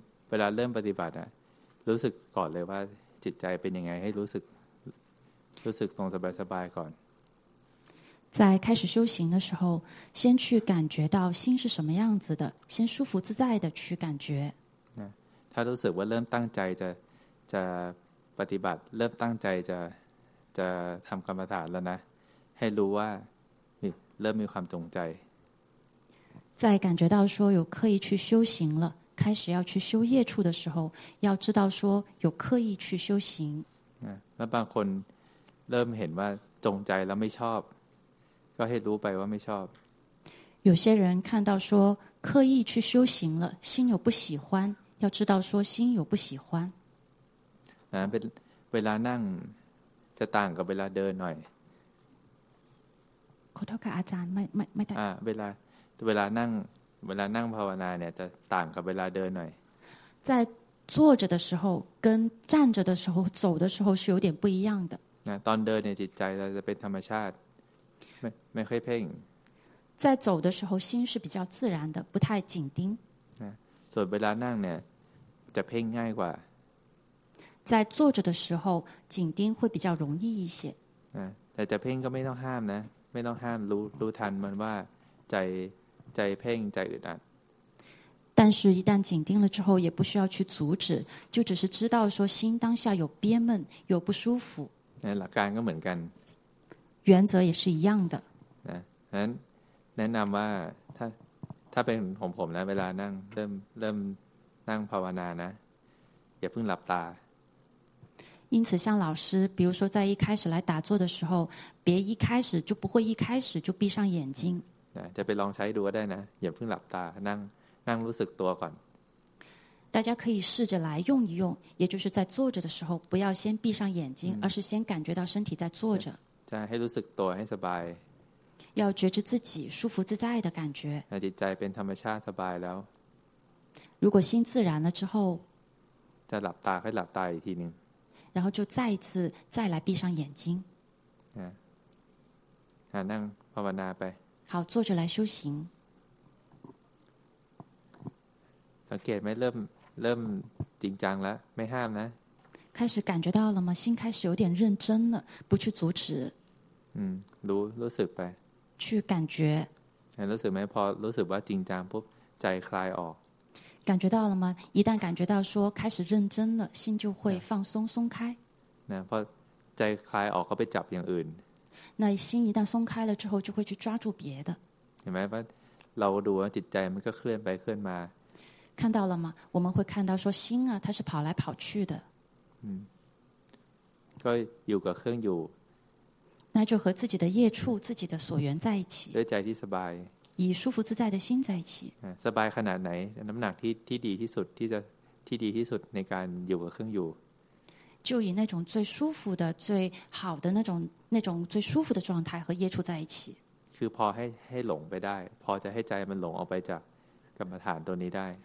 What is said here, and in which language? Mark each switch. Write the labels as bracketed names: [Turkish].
[Thai] เวลาเริ่มปฏิบัติอะรู้สึกก่อนเลยว่าจิตใจเป็นยังไงให้รู้สึกตรงสบายๆก่อน [Chinese] 在开始修行的时候先去感觉到心是什么样子的先舒服自在的去感觉 [Thai] ถ้ารู้สึกว่าเริ่มตั้งใจจะปฏิบัติเริ่มตั้งใจจะทำกรรมฐานแล้วนะให้รู้ว่าเริ่มมีความจงใจ [Chinese] 在感觉到说有刻意去修行了开始要去修业处的时候要知道说有刻意去修行 [Thai] 那บางคนเริ่มเห็นว่าจงใจแล้วไม่ชอบก็ให้รู้ไปว่าไม่ชอบ [Chinese] 有些人看到说刻意去修行了心有不喜欢要知道说心有不喜欢 [Thai] เวลานั่งจะต่างกับเวลาเดินหน่อย ขอโทษค่ะอาจารย์ไม่ได้ เวลานั่งภาวนาเนี่ยจะต่างกับเวลาเดินหน่อย [Chinese] 在坐着的时候跟站着的时候走的时候是有点不一样的 [Thai] ตอนเดินเนี่ยจิตใจเราจะเป็นธรรมชาติไม่ค่อยเพ่ง [Chinese] 在走的时候心是比较自然的不太紧盯 [Thai] ส่วนเวลานั่งเนี่ยจะเพ่งง่ายกว่า [Chinese] 在坐着的时候紧盯会比较容易一些 [Thai] แต่จะเพ่งก็ไม่ต้องห้ามนะไม่ต้องห้ามรู้ทันมันว่าใจเพ่งใจอึดอัด [Chinese] 但是一旦紧盯了之后也不需要去阻止就只是知道说心当下有憋闷有不舒服 [Thai] หลักการก็เหมือนกัน [Chinese] 原则也是一样的 [Thai] นั้นแนะนำว่าถ้าเป็นของผมนะเวลานั่งเริ่มนั่งภาวนานะอย่าเพิ่งหลับตา [Chinese] 因此像老师比如说在一开始来打坐的时候别一开始就不会一开始就闭上眼睛 [Thai] จะไปลองใช้ดูก็ได้นะอย่าเพิ่งหลับตานั่งนั่งรู้สึกตัวก่อน [Chinese] 大家可以试着来用一用也就是在坐着的时候不要先闭上眼睛而是先感觉到身体在坐着 [Thai] จะให้รู้สึกตัวให้สบาย [Chinese] 要觉知自己舒服自在的感觉 [Thai] จิตใจเป็นธรรมชาติสบายแล้ว [Chinese] 如果心自然了之后 [Thai] จะหลับตาให้หลับตาอีกทีนึง [Chinese] 然后就再一次再来闭上眼睛 [Thai] นั่งภาวนาไป [Chinese] 好坐着来修行 [Thai] สังเกตไหมเริ่มจริงจังแล้วไม่ห้ามนะ [Chinese] 开始感觉到了吗心开始有点认真了不去阻止 [Thai] รู้สึกไป [Chinese] 去感觉 [Thai] รู้สึกไหมพอรู้สึกว่าจริงจังปุ๊บใจคลายออก [Chinese] 感觉到了吗一旦感觉到说开始认真了心就会放松松开 [Thai] พอใจคลายออกก็ไปจับอย่างอื่น [Chinese] นั่น心一旦松开了之后就会去抓住别的 [Thai] เห็นไหมว่าเราดูจิตใจมันก็เคลื่อนไปเคลื่อนมา [Chinese] 看到了吗我们会看到说心啊它是跑来跑去的 [Thai] ก็อยู่กับเครื่องอยู่ [Chinese] 那就和自己的业处自己的所缘在一起 [Thai] ด้วยใจที่สบาย [Chinese] 以舒服自在的心在一起 [Thai] สบายขนาดไหนน้ำหนักที่ดีที่สุดที่ดีที่สุดในการอยู่กับเครื่องอยู่ [Chinese] 就以那种最舒服的、最好的那种最舒服的状态和业处在一起。 [Thai] คือพอให้หลงไปได้พอจะให้ใจมันหลงออกไปจากกรรมฐานตัวนี้ได้。